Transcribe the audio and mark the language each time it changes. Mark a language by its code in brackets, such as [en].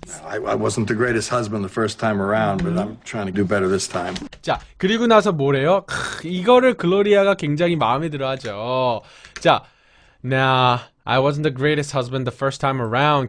[en] I wasn't the greatest husband the first time around, but I'm trying to do better this time. [ko] 자, 그리고 나서 뭐래요? 이거를 글로리아가 굉장히 마음에 들어 하죠. [en] 자, I wasn't the greatest husband the first time around.